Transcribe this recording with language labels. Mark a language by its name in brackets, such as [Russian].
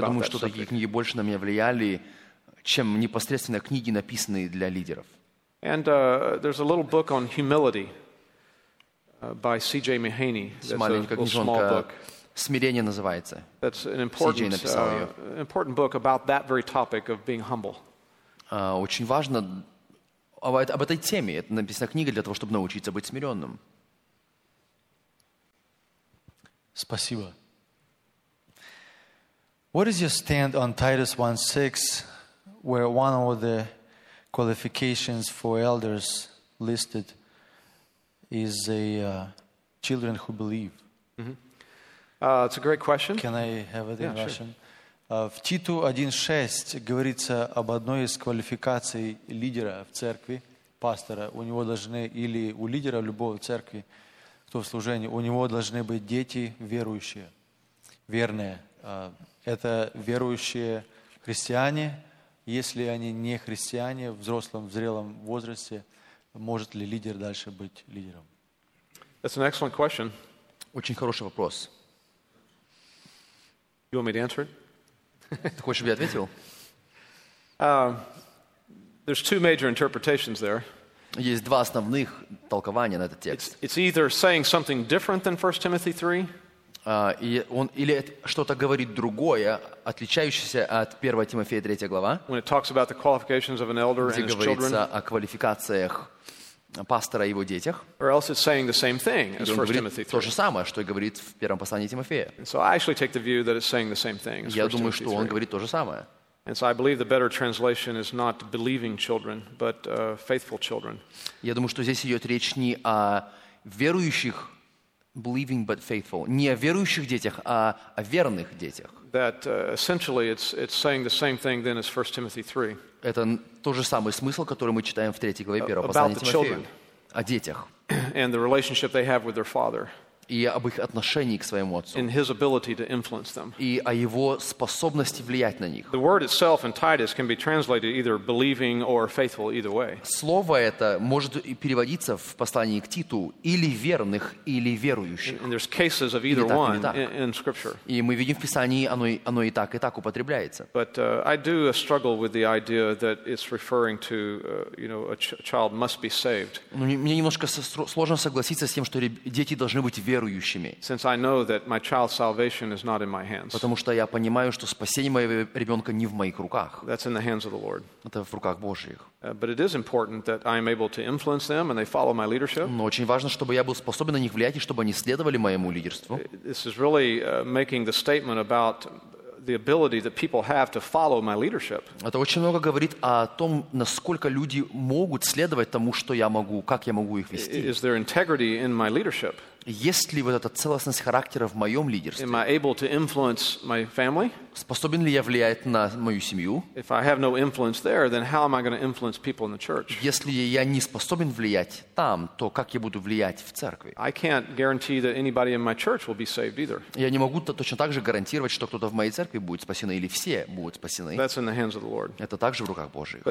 [Russian] Я думаю, что такие книги больше на меня влияли, чем непосредственно книги, написанные для лидеров. [English] And there's a little book on humility by C.J. Mahaney. That's [Russian] маленькая книжонка. [English] Small book. [Russian] Смирение называется. [English] That's an important book about that very topic of being humble. [Russian] Очень важно об этой теме. Это написана книга для того, чтобы научиться быть смиренным. Спасибо. [English] What is your stand on Titus 1:6, where one of the qualifications for elders listed is children who believe? Mm-hmm. It's a great question. Can I have it in Russian? Sure. [Russian] В Титу 1:6 говорится об одной из квалификаций лидера в церкви, пастора. У него должны, или у лидера любого церкви, кто в служении, у него должны быть дети верующие, верные. Это верующие христиане. Если они не христиане, в взрослом, в зрелом возрасте, может ли лидер дальше быть лидером? [English] That's an excellent question. [Russian] Очень хороший вопрос. [English] You want me to answer it? [Russian] Ты хочешь, чтобы я ответил? [English] There's two major interpretations there. [Russian] Есть два основных толкования на этот текст. [English] It's either saying something different than 1 Timothy 3. [Russian] Или что-то говорит другое, отличающееся от 1 Тимофея 3 глава. [English] When it talks about the qualifications of an elder and his children. [Russian] Где говорится о квалификациях пастора и его детях. [English] Or else it's saying the same thing as 1 Timothy 3. [Russian] То же самое, что и говорит в первом послании Тимофея. [English] And so I actually take the view that it's saying the same thing as 1 [Russian] Timothy 3. Я думаю, что он говорит то же самое. [English] And so I believe the better translation is not believing children, but faithful children. [Russian] Я думаю, что здесь идет речь не о верующих, [English] believing but faithful, [Russian] не о верующих детях, а о верных детях. [English] That essentially it's saying the same thing then as 1 Timothy 3. [Russian] Это тот же самый смысл, который мы читаем в 3 главе 1 послания Тимофею. О детях. [English] And the relationship they have with their father. [Russian] И об их отношении к своему отцу. [English] And his ability to influence them. [Russian] И о его способности влиять на них. [English] The word itself in Titus can be translated either believing or faithful either way. [Russian] Слово это может переводиться в послании к Титу или верных, или верующих. [English] And there's cases of either one in Scripture. [Russian] И мы видим в Писании, оно и так употребляется. [English] But I do struggle with the idea that it's referring to, you know, a child must be saved. [Russian] Мне немножко сложно согласиться с тем, что дети должны быть верующими. [English] Since I know that my child's salvation is not in my hands. [Russian] Потому что я понимаю, что спасение моего ребенка не в моих руках. [English] That's in the hands of the Lord. [Russian] Это в руках Божьих. [English] But it is important that I am able to influence them and they follow my leadership. [Russian] Но очень важно, чтобы я был способен на них влиять и чтобы они следовали моему лидерству. [English] This is really making the statement about the ability that people have to follow my leadership. [Russian] Это очень много говорит о том, насколько люди могут следовать тому, что я могу, как я могу их вести. [English] Is there integrity in my leadership? [Russian] Есть ли вот эта целостность характера в моем лидерстве? [English] Am I able to influence my family? [Russian] Способен ли я влиять на мою семью? [English] If I have no influence there, then how am I going to influence people in the church? [Russian] Если я не способен влиять там, то как я буду влиять в церкви? [English] I can't guarantee that anybody in my church will be saved either. [Russian] Я не могу точно так же гарантировать, что кто-то в моей церкви будет спасен или все будут спасены. [English] That's in the hands of the Lord. [Russian] Это также в руках Божьих.